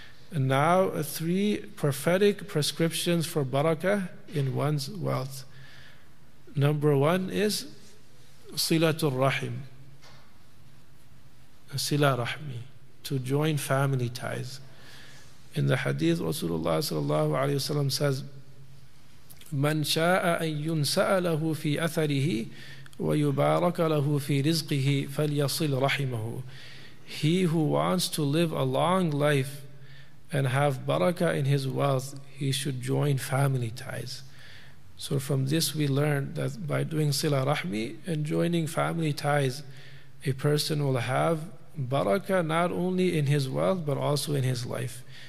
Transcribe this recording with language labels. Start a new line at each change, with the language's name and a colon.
English: And now three prophetic prescriptions for barakah in one's wealth. Number one is silatul rahim, sila rahmi, to join family ties. In the hadith, Rasulullah sallallahu alayhi wa sallam says,
Arabic: مَنْ شَاءَ أَنْ يُنْسَأَ لَهُ فِي أَثَرِهِ وَيُبَارَكَ لَهُ فِي رِزْقِهِ فَلْيَصِلْ رَحِمَهُ.
English: He who wants to live a long life and have barakah in his wealth, he should join family ties. So from this we learn that by doing sila rahmi and joining family ties, a person will have barakah not only in his wealth but also in his life.